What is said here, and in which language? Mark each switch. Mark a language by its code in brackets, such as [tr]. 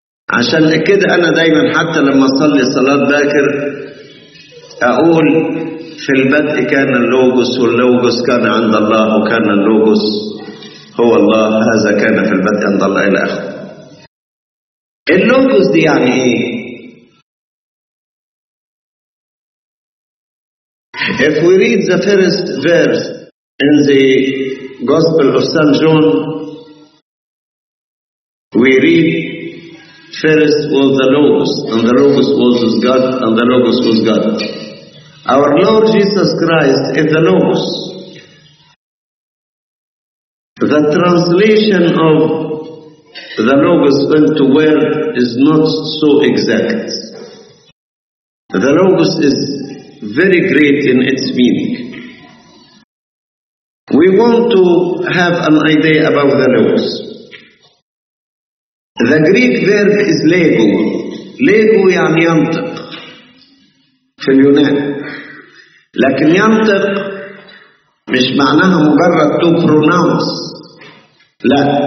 [ar] عشان كده انا دايما حتى لما اصلي صلاه باكر اقول في البدء كان اللوغوس، واللوغوس كان عند الله، وكان اللوغوس هو الله، هذا كان في البدء عند الله الى اخره. اللوغوس دي يعني ايه؟ [en] If we read the first verse in the Gospel of St. John, we read first was the Logos, and the Logos was with God, and the Logos was God. Our Lord Jesus Christ is the Logos. The translation of the Logos into word is not so exact. The Logos is very great in its meaning. We want to have an idea about the Logos. The Greek verb is lego. [ar] Lego يعني ينطق في اليونان. لكن ينطق مش معناها مجرد [en] to pronounce. [ar] لا.